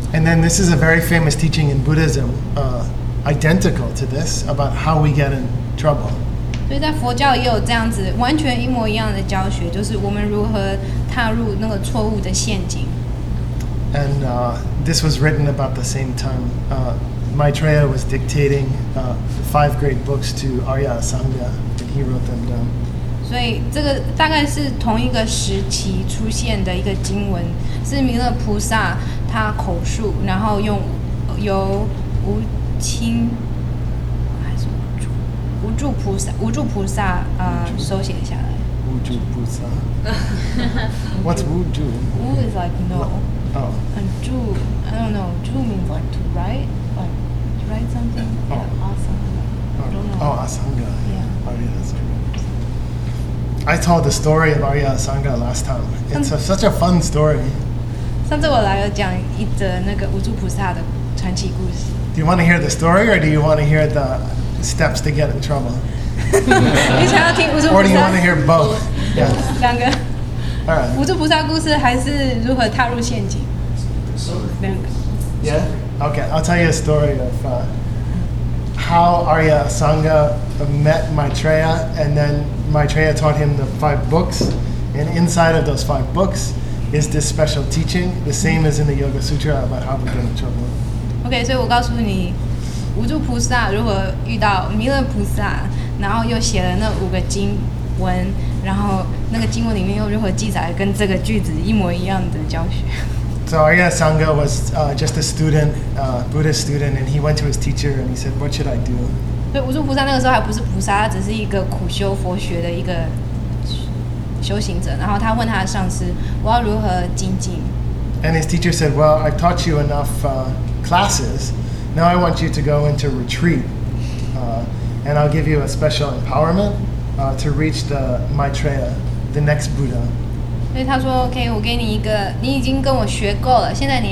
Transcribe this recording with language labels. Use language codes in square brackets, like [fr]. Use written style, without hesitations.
[en] And then this is a very famous teaching in Buddhism. Identical to this about how we get in trouble. [zh] 所以在佛教也有这样子完全一模一样的教学，就是我们如何踏入那个错误的陷阱。 [en] And this was written about the same time. Maitreya was dictating five great books to Arya Sangha, and he wrote them down. [zh] 所以这个大概是同一个时期出现的一个经文，是弥勒菩萨他口述，然后用由无清还是无助菩萨手写下来。无助菩萨。 [en] What's [zh] 无助？ [en] 无 is like no. Oh. And 助 I don't know. 助 means like to write. Like to write something. Oh. Asanga. Oh. Asanga. Yeah. Arya Asanga. I told the story of Arya Asanga last time. It's such a fun story. [zh] 上次我来了讲一则那个无助菩萨的传奇故事。 [en] Do you want to hear the story, or do you want to hear the steps to get in trouble? Or do you want to hear both? Yes. Two. All [zh] right. 无助菩萨故事还是如何踏入陷阱？两个。Yeah. Okay. [en] I'll tell you a story of how Arya Sangha met Maitreya, and then Maitreya taught him the five books. And inside of those five books is this special teaching, the same as in the Yoga Sutra about how to get in trouble. [zh] OK， 所以我告诉你，无助菩萨如何遇到弥勒菩萨，然后又写了那五个经文，然后那个经文里面又如何记载跟这个句子一模一样的教学。 [en] So Arya Sangha was just a student, Buddhist student, and he went to his teacher and he said, "What should I do?" [zh] 所以无助菩萨那个时候还不是菩萨，他只是一个苦修佛学的一个修行者，然后他问他的上司，我要如何精进 [en] ？And his teacher said, "Well, I taught you enough." Classes. Now I want you to go into retreat, and I'll give you a special empowerment to reach the Maitreya, the next Buddha. So he said, "Okay, I'll give you a. You already learned with me.